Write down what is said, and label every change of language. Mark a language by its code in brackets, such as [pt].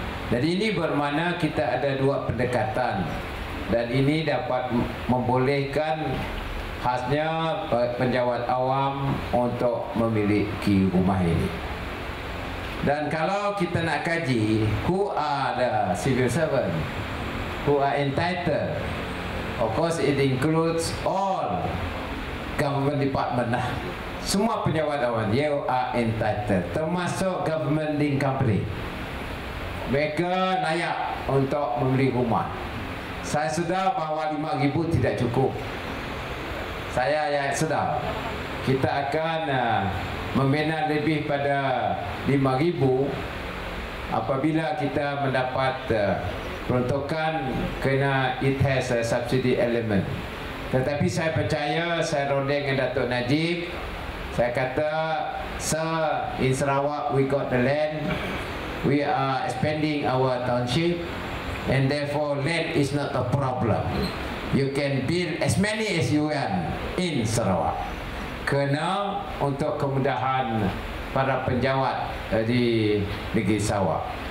[ms] Jadi ini bermakna kita ada dua pendekatan dan ini dapat membolehkan khasnya penjawat awam untuk memiliki rumah ini. Dan kalau kita nak kaji [en] who are the civil servant who are entitled Of course, it includes all government department lah. [ms] Semua penjawat-jawat, [en] you are entitled. [ms] Termasuk [en] government link company. [ms] Mereka layak untuk membeli rumah. Saya sedar bahawa RM5,000 tidak cukup. Saya yang sedar. Kita akan membina lebih pada RM5,000 apabila kita mendapat peruntukan kena [en] it has a subsidy element. [ms] Tetapi saya percaya, saya ronding dengan Datuk Najib, saya kata, [en] sir, in Sarawak we got the land, we are expanding our township, and therefore land is not a problem. You can build as many as you want in Sarawak. [ms] Kena untuk kemudahan para penjawat di negeri Sarawak.